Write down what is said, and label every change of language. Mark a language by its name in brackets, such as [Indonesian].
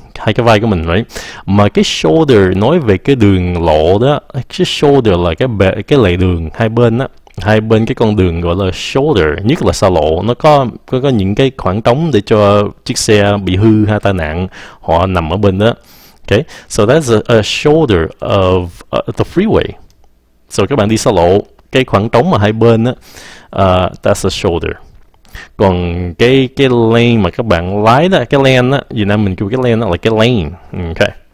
[Vietnamese] Hai cái vai của mình, right? Mà cái shoulder nói về cái đường lộ đó. Cái shoulder là cái lề đường hai bên á. Hai bên cái con đường gọi là shoulder, nhất là xa lộ. Nó có những cái khoảng trống để cho chiếc xe bị hư hay tai nạn, họ nằm ở bên đó. [English] Okay, so that's a shoulder of the freeway. [Vietnamese] So các bạn đi xa lộ, cái khoảng trống mà hai bên á, [English] that's a shoulder. [Vietnamese] Còn cái lane mà các bạn lái đó, cái lane á, Việt Nam mình kêu cái lane đó là cái lane. Okay.